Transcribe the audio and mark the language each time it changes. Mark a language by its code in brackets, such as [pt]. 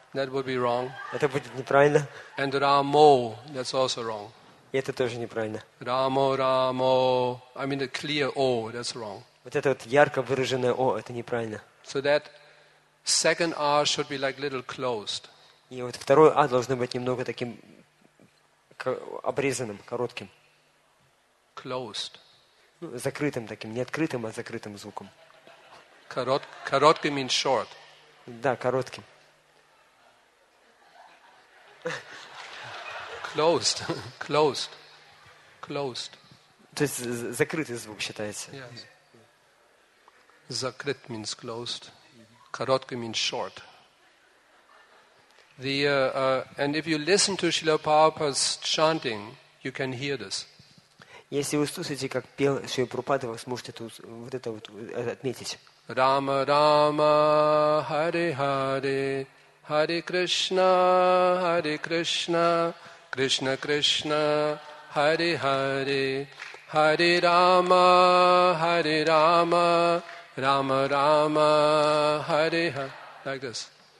[en] That would be wrong. [ru] Это будет неправильно. [en] And Ramo, that's also wrong. [ru] И это тоже неправильно. [en] Рамо, Рамо. I mean, a clear O, that's wrong. [ru] Вот это вот ярко выраженное О, это неправильно. [en] So that second R should be like little closed. [ru] И вот второе А должно быть немного таким обрезанным, коротким. [en] Closed. [ru] Ну, закрытым таким, не открытым, а закрытым звуком. [en] Короткий means short. [ru] Да, коротким. [en] Closed, closed, closed. [ru] То есть закрытый звук считается. [en] Закрыт means closed. Короткий means short. And if you listen to Srila Prabhupada's chanting, you can hear this. [ru] Если вы слушаете, как пел Шрила Прабхупада, вы сможете тут вот это вот отметить. [sa] Рама, Рама, Хари, Хари, Хари Кришна, Хари Кришна, Кришна, Кришна, Хари, Хари, Хари Рама, Хари Рама, Рама, Рама, Хари, Хари. [en] Like this.